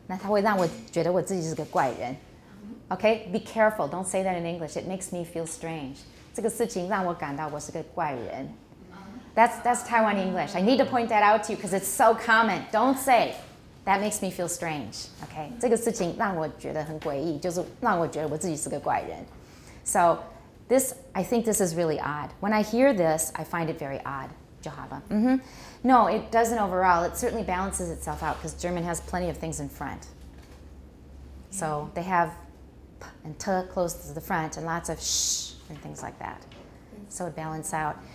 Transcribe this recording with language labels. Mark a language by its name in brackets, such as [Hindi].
[Chinese] 那它会让我觉得我自己是个怪人. [English] Okay, be careful. Don't say that in English. It makes me feel strange. [Chinese] 这个事情让我感到我是个怪人. [English] That's Taiwan English. I need to point that out to you because it's so common. Don't say, that makes me feel strange. [Chinese] Okay, 这个事情让我觉得很诡异,就是让我觉得我自己是个怪人. [English] So, I think this is really odd. When I hear this, I find it very odd. Johava. Mm-hmm. No, it doesn't overall. It certainly balances itself out because German has plenty of things in front. So, they have p and t close to the front and lots of sh and things like that. So it balances out.